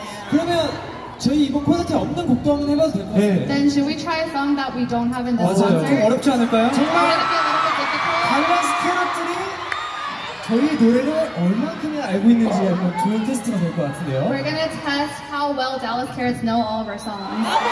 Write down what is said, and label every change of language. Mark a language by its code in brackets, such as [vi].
[ko] 그러면 저희 이번 콘서트에 없는 곡도 한번 해봐도 될까요? 네. [en] Then should we try a song that we don't have in this concert? [ko] 맞아요. 어렵지 않을까요? 정말 달라스 캐럿들이 저희 노래를 얼만큼이나 알고 있는지 한번 좋은 테스트가 될 것 같은데요. [en] We're gonna test how well Dallas Carrots know all of our songs.